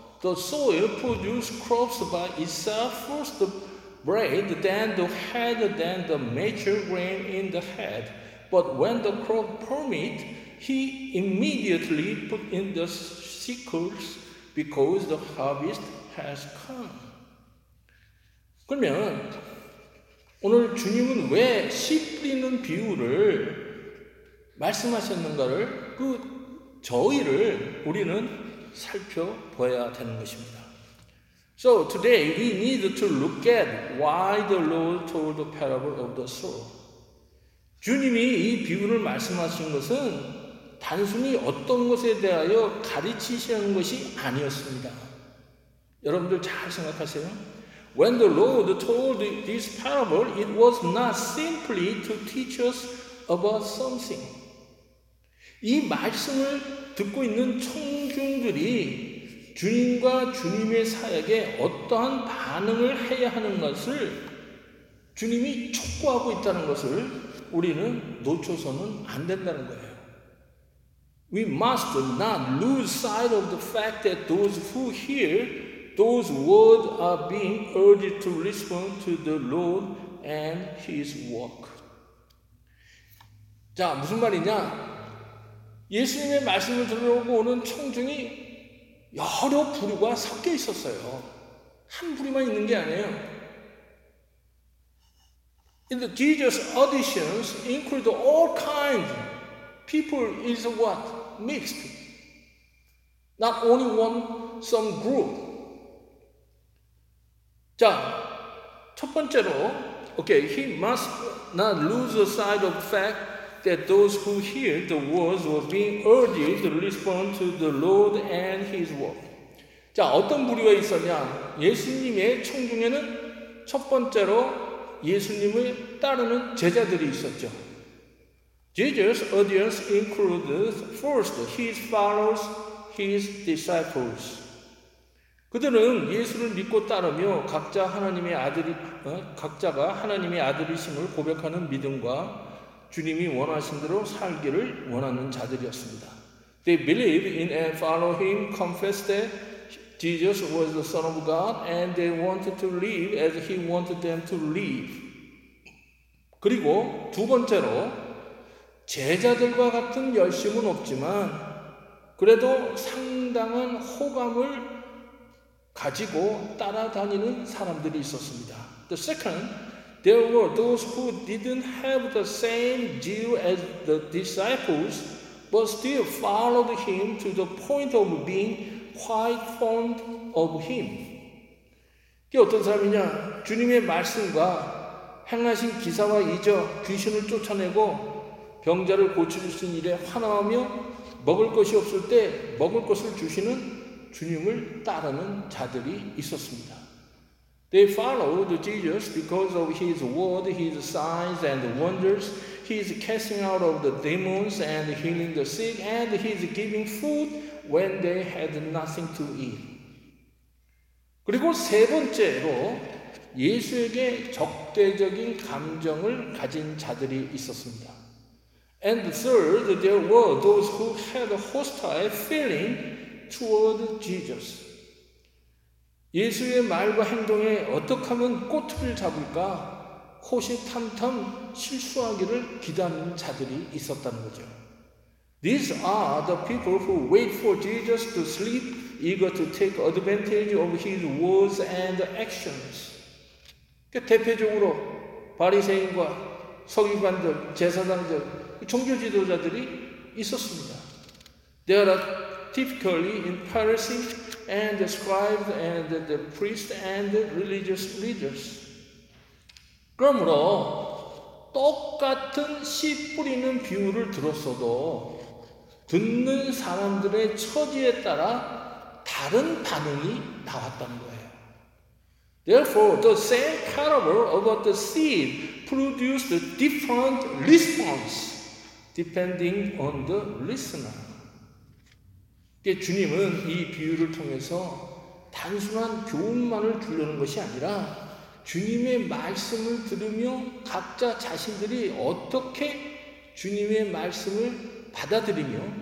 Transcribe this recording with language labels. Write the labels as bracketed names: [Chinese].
[English] The soil produces crops by itself, first the bread, then the head, then the mature grain in the head. But when the crop permits, he immediately put in the sickles because the harvest has come. [Korean] 그러면 오늘 주님은 왜 씨 뿌리는 비유를 말씀하셨는가를 그 저희를 우리는 살펴봐야 되는 것입니다. [English] So today we need to look at why the Lord told the parable of the sower. [Korean] 주님이 이 비유를 말씀하신 것은 단순히 어떤 것에 대하여 가르치시는 것이 아니었습니다. 여러분들 잘 생각하세요. [English] When the Lord told this parable, it was not simply to teach us about something. [Korean] 이 말씀을 듣고 있는 청중들이 주님과 주님의 사역에 어떠한 반응을 해야 하는 것을 주님이 촉구하고 있다는 것을 우리는 놓쳐서는 안 된다는 거예요. [English] We must not lose sight of the fact that those who hear those words are being urged to respond to the Lord and His work. [Korean] 자, 무슨 말이냐? 예수님의 말씀을 들으려고 오는 청중이 여러 부류가 섞여 있었어요. 한 부류만 있는 게 아니에요. [English] In the Jesus auditions include all kinds of people is what? Mixed. Not only one, some group. [Korean] 자, 첫 번째로, [English] okay, he must not lose the sight of the fact that those who hear the words were being urged to respond to the Lord and His work. [Korean] 자, 어떤 부류가 있었냐? 예수님의 청중에는 첫 번째로 예수님을 따르는 제자들이 있었죠. [English] Jesus' audience included first his followers, his disciples. [Korean] 그들은 예수를 믿고 따르며 각자 하나님의 아들이 각자가 하나님의 아들이심을 고백하는 믿음과 주님이 원하신 대로 살기를 원하는 자들이었습니다. [English] They believed in and followed him, confessed that Jesus was the Son of God, and they wanted to live as he wanted them to live. [Korean] 그리고 두 번째로 제자들과 같은 열심은 없지만 그래도 상당한 호감을 가지고 따라다니는 사람들이 있었습니다. [English] The second, there were those who didn't have the same zeal as the disciples but still followed him to the point of being quite fond of him. [Korean] 이게 어떤 사람이냐? 주님의 말씀과 행하신 기사와 잊어 귀신을 쫓아내고 병자를 고치신 일에 환호하며 먹을 것이 없을 때 먹을 것을 주시는 주님을 따르는 자들이 있었습니다. [English] They followed Jesus because of his word, his signs and wonders, his casting out of the demons and healing the sick, and his giving food when they had nothing to eat. [Korean] 그리고 세 번째로 예수에게 적대적인 감정을 가진 자들이 있었습니다. [English] And third, there were those who had a hostile feeling toward Jesus. [Korean] 예수의 말과 행동에 어떻게 하면 꼬투리를 잡을까? 호시탐탐 실수하기를 기다리는 자들이 있었다는 거죠. [English] These are the people who wait for Jesus to sleep, eager to take advantage of his words and actions. [Korean] 그러니까 대표적으로 바리새인과 서기관들, 제사장들, 종교 지도자들이 있었습니다. [English] They are typically in Pharisees and the scribes and the priests and the religious leaders. [Korean] 그러므로 똑같은 씨 뿌리는 비유를 들었어도 듣는 사람들의 처지에 따라 다른 반응이 나왔다는 거예요. [English] Therefore, the same parable about the seed produced a different response. Depending on the listener. [Korean] 주님은 이 비유를 통해서 단순한 교훈만을 주려는 것이 아니라 주님의 말씀을 들으며 각자 자신들이 어떻게 주님의 말씀을 받아들이며